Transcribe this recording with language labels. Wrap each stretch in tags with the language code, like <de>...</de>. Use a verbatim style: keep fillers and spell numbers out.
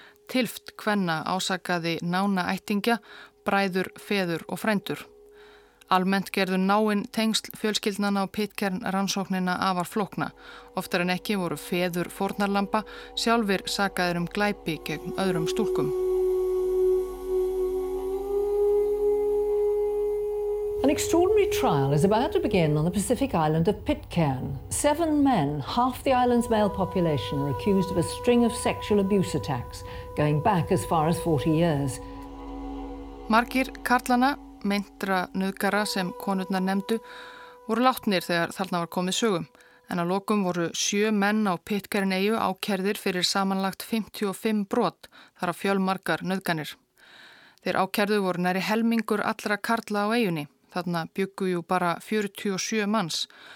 <is>Tilft kvenna ásakaði nána ættingja, bræður, feður og frændur. Almennt gerðu náinn tengsl fjölskyldnana á pitkern rannsóknina afar flókna. Oftar en ekki voru feður fórnarlamba sjálfir sakaðir um glæpi gegn öðrum stúlkum.</is> <en>An extraordinary trial is about to begin on the Pacific island of Pitcairn. Seven men, half the island's male population, are accused of a string of sexual abuse attacks going back as far as forty years.</en> <is>Margir karlana, meintra nauðgara sem konurnar nefndu, voru látnir þegar þarna var komið sögum. En á lokum voru sjö menn á Pitcairn eyju ákærðir fyrir samanlagt fimmtíu og fimm brot, þar á fjölmargar nauðganir. Þeir ákærðu voru næri helmingur allra karla á eyjunni, þarna bjuggu jú bara fjörutíu og sjö manns.</is>